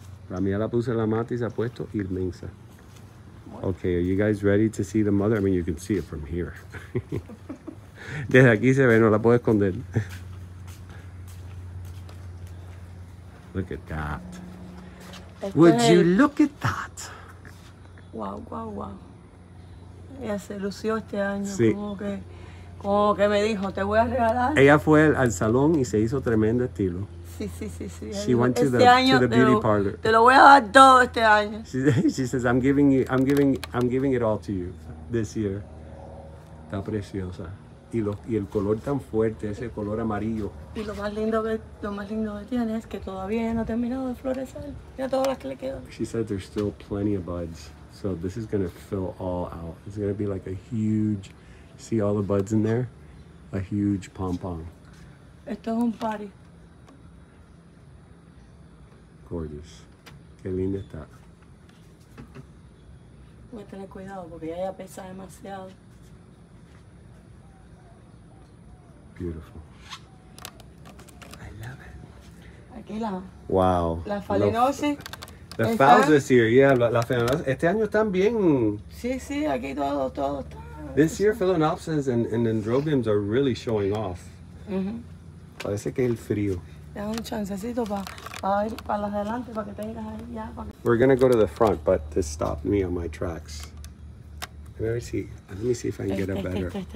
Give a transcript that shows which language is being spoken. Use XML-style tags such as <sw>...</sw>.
<es>La mía la puse la mata y se ha puesto inmensa.</es> <en>Okay, are you guys ready to see the mother? I mean, you can see it from here.</en> <es>Desde aquí se ve, no la puedo esconder.</es> <en>Look at that. Would you look at that?</en> <es>Wow. Ella se lució este año. Sí. Como que me dijo, te voy a regalar. Ella fue al salón y se hizo tremendo estilo. Sí.</es> <en>She went to the beauty parlor.</en> <es>Te lo voy a dar todo este año.</es> <en>She says, I'm giving it all to you this year.</en> <es>Está preciosa. Y el color tan fuerte, ese color amarillo. Y lo más lindo que tiene es que todavía no ha terminado de florecer. Ya todas las que le quedan.</es> <en>She said there's still plenty of buds. So this is going to fill all out. It's going to be like a huge, see all the buds in there? A huge pom-pom.</en> <es>Esto es un party.</es> <en>Gorgeous.</en> <es>Qué linda está. Voy a tener cuidado porque ya pesa demasiado.</es> <en>Beautiful. I love</en> <es>it. Aquí la.</es> <en>Wow.</en> <es>La falenosis.</es> <en>The fowls this year, yeah. La falenosis.</en> <es>Este año también. Sí, aquí todo está.</es> <en>This year, phalaenopsis and dendrobiums are really showing off. Mm-hmm.</en> <es>Parece que el frío. Da un chancecito para ir para las adelante, para que te digas ahí ya.</es> <en>We're going to go to the front, but this stopped me on my tracks. Let me see if I can get a better.</en>